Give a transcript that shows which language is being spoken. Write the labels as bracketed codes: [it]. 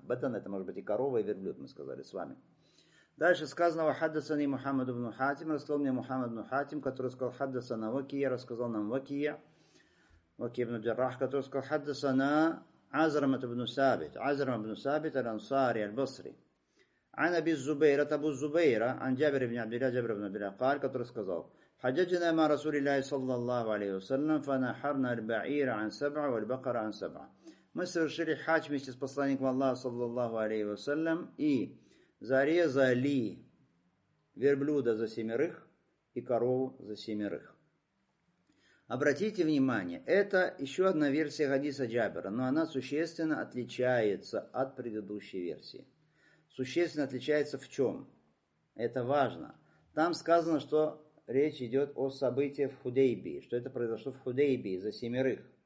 [ru] Бадана это может быть и корова, и верблюд, мы сказали с вами. Дальше сказано, хаддасани Мухаммад ибн Хатим. Рассказал мне Мухаммад ибн Хатим, который сказал, хаддасана вакия. Рассказал нам вакия. Вакия ибн Джаррах, который сказал, хаддасана Азрамат ибн Сабит. Азрам ибн Сабит, аль-Ансари, аль-Басри. [ar] عن أبي الزبير أبو الزبير عن جابر بن عبد الله جابر بن عبد الله قال كتر سказал حججنا مع رسول الله صلى الله عليه وسلم فنحرنا البعير عن سبعة والبقرة عن سبعة [ru] мы совершили хадж вместе с посланником Аллаха صلى الله عليه وسلم и зарезали верблюда за семерых и корову за семерых. Обратите внимание, это еще одна версия хадиса Джабера, но она существенно отличается от предыдущей версии. Существенно отличается в чем? Это важно. Там сказано, что речь идет о событии в Худейбии, что это произошло в Худейбии за семерых.